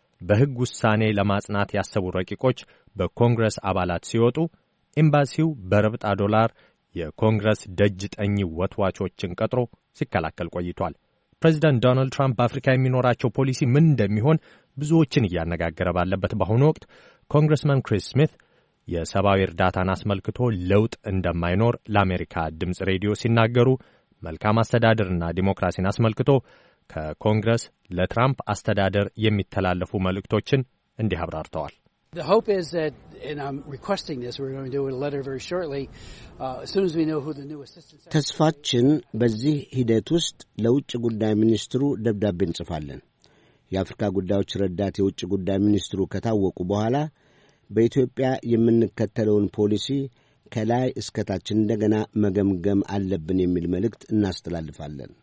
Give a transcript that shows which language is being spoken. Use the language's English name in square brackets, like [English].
[Amharic] በሕግ ውሳኔ ለማጽናት ያሰቡ ረቂቆች በኮንግረስ አባላት ሲወጡ ኤምባሲው በረብጣ ዶላር የኮንግረስ ደጅ ጠኚ ወትዋቾችን ቀጥሮ ሲከላከል ቆይቷል። ፕሬዚዳንት ዶናልድ ትራምፕ በአፍሪካ የሚኖራቸው ፖሊሲ ምን እንደሚሆን ብዙዎችን እያነጋገረ ባለበት በአሁኑ ወቅት ኮንግረስማን ክሪስ ስሚዝ የሰብአዊ እርዳታን አስመልክቶ ለውጥ እንደማይኖር ለአሜሪካ ድምፅ ሬዲዮ ሲናገሩ፣ መልካም አስተዳደርና ዲሞክራሲን አስመልክቶ ከኮንግረስ ለትራምፕ አስተዳደር የሚተላለፉ መልእክቶችን እንዲህ አብራርተዋል። [English] The hope is that, and I'm requesting this, we're going to do it a letter very shortly, as soon as we know who the new assistant secretary is. [Amharic] ተስፋችን በዚህ ሂደት ውስጥ ለውጭ ጉዳይ ሚኒስትሩ ደብዳቤ እንጽፋለን። የአፍሪካ ጉዳዮች ረዳት የውጭ ጉዳይ ሚኒስትሩ ከታወቁ በኋላ በኢትዮጵያ የምንከተለውን ፖሊሲ ከላይ እስከታች እንደገና መገምገም አለብን የሚል መልእክት እናስተላልፋለን።